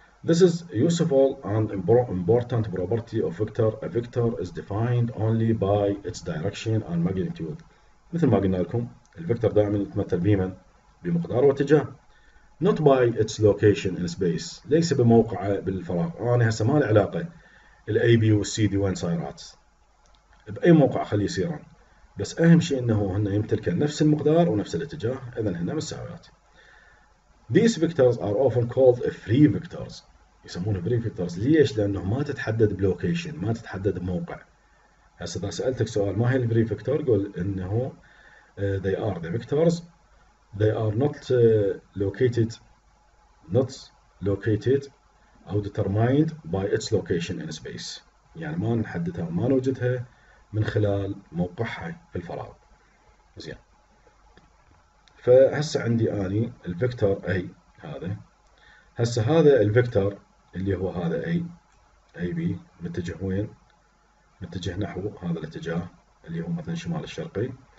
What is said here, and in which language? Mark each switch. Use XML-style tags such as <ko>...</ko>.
<en>This is useful and important property of vector. A vector is defined only by its direction and magnitude.</en> <ar>مثل ما قلنا لكم الفيكتور دائما يتمثل بمن؟ بمقدار واتجاه.</ar> <en>Not by its location in space.</en> <ar>ليس بموقعه بالفراغ. انا هسه ما لي علاقه الاي بي والسي دي وين صايرات. باي موقع خليه يصير. بس اهم شيء انه هن يمتلكن نفس المقدار ونفس الاتجاه، اذا هن مساويات.</ar> <en>These vectors are often called free vectors.</en> <ar>يسمونه</ar> <en>free vectors.</en> <ar>ليش؟ لانه ما تتحدد بلوكيشن، ما تتحدد بموقع. هسه اذا سالتك سؤال ما هي الفري فيكتور؟ قول انه</ar> <en>they are the vectors. They are not located, not located or determined by its location in space.</en> <ar>يعني ما نحددها وما نوجدها من خلال موقعها في الفراغ. زين. فهسه عندي اني الفيكتور اي هذا. هسه هذا الفيكتور اللي هو هذا اي اي بي متجه وين؟ متجه نحو هذا الاتجاه اللي هو مثلا الشمال الشرقي.</ar>